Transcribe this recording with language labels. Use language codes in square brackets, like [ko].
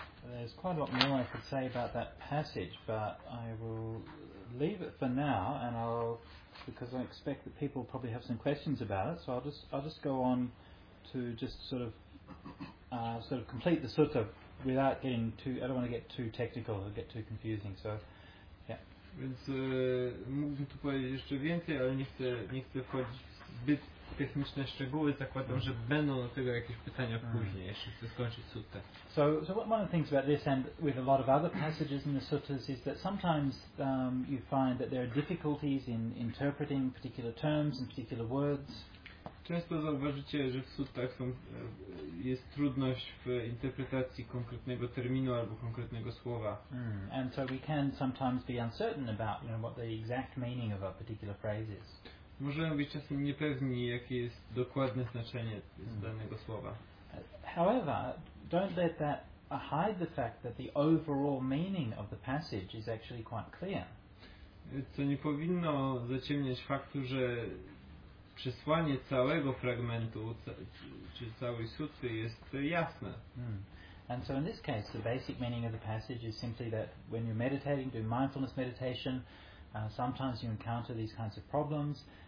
[en] There's quite a lot more I could say about that passage, but I will leave it for now, and because I expect that people probably have some questions about it, so I'll just go on to just sort of complete the sutta without getting too, I don't want to get too technical or get too confusing, so yeah. [pl] Więc mógłbym tu powiedzieć jeszcze więcej, ale nie chcę wchodzić zbyt techniczne szczegóły, zakładam, że będą do tego jakieś pytania później, jeśli chcę skończyć sutę. [en] So one of the things about this and with a lot of other passages in the suttas is that sometimes you find that there are difficulties in interpreting particular terms and particular words. [pl] Często zauważycie, że w suttach jest trudność w interpretacji konkretnego terminu albo konkretnego słowa. [en] And so we can sometimes be uncertain about, you know, what the exact meaning of a particular phrase is. [pl] Możemy być czasem niepewni, jakie jest dokładne znaczenie danego słowa. [en] However, don't let that hide the fact that the overall meaning of the passage is actually quite clear. [pl] To nie powinno zaciemniać faktu, że przesłanie całego fragmentu czy całej sutry jest jasne. [en] And so in this case the basic meaning of the passage is simply that when you're meditating, doing mindfulness meditation, sometimes you encounter these kinds of problems.